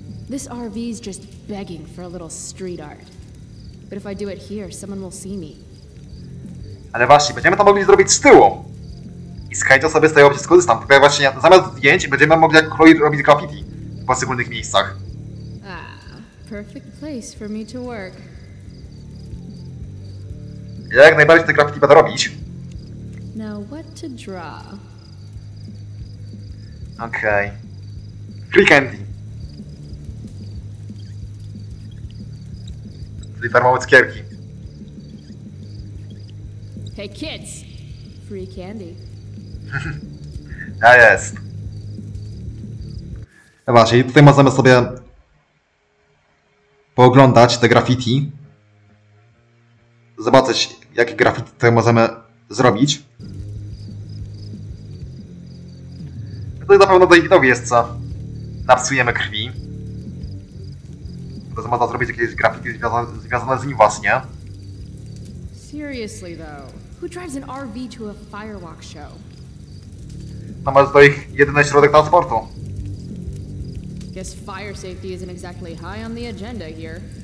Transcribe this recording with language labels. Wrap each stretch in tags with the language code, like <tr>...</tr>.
<en>This RV's just begging for a little street art. But if I do it here, someone will see me.</en> <pl>Ale właśnie, będziemy to mogli zrobić z tyłu. I z Kajto sobie z tej opcji skorzystam. Bo właśnie zamiast zdjęć będziemy mogli jak Chloe robić graffiti w poszczególnych miejscach.</pl> <en>Ah, perfect place for me to work.</en> <pl>Ja jak najbardziej te graffiti będę robić.</pl> <en>Now what to draw? Okej. Free candy.</en> <pl>Czyli darmowe cukierki.</pl> <en>Hey kids! Free candy.</en> <pl>Ja jest. No właśnie, tutaj możemy sobie pooglądać te graffiti. Zobaczyć, jakie graffiti tutaj możemy zrobić. To na pewno Davidowi jest co. Napsujemy krwi. To można zrobić jakieś graffiti związane z nim właśnie.</pl> <en>Seriously though, who drives an RV to a firewalk show?</en> <pl>No masz to ich jedyny środek transportu.</pl> <en>Guess fire safety isn't exactly high on the agenda here.</en>